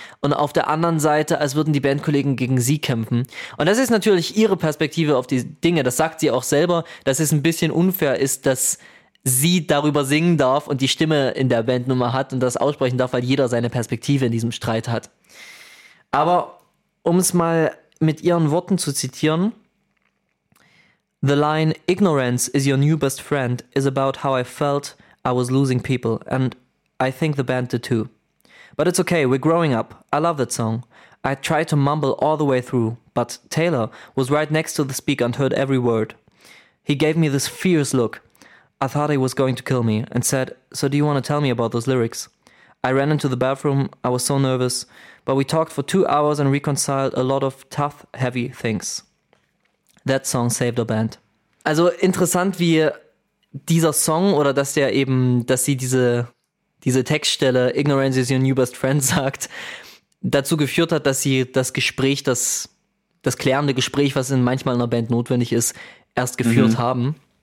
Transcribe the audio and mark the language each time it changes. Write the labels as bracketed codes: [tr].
[de] Und auf der anderen Seite, als würden die Bandkollegen gegen sie kämpfen. Und das ist natürlich ihre Perspektive auf die Dinge. Das sagt sie auch selber, dass es ein bisschen unfair ist, dass sie darüber singen darf und die Stimme in der Bandnummer hat und das aussprechen darf, weil jeder seine Perspektive in diesem Streit hat. Aber um es mal mit ihren Worten zu zitieren, [en] the line "Ignorance is your new best friend" is about how I felt I was losing people and I think the band did too. But it's okay, we're growing up. I love that song. I tried to mumble all the way through, but Taylor was right next to the speaker and heard every word. He gave me this fierce look. I thought he was going to kill me and said, so do you want to tell me about those lyrics? I ran into the bathroom, I was so nervous, but we talked for 2 hours and reconciled a lot of tough, heavy things. That song saved our band. [de] Also interessant, wie dieser Song oder dass der eben, dass sie diese Textstelle [en] Ignorance is your new best friend [de] sagt, dazu geführt hat, dass sie das Gespräch, das klärende Gespräch, was in manchmal in einer Band notwendig ist, erst geführt haben.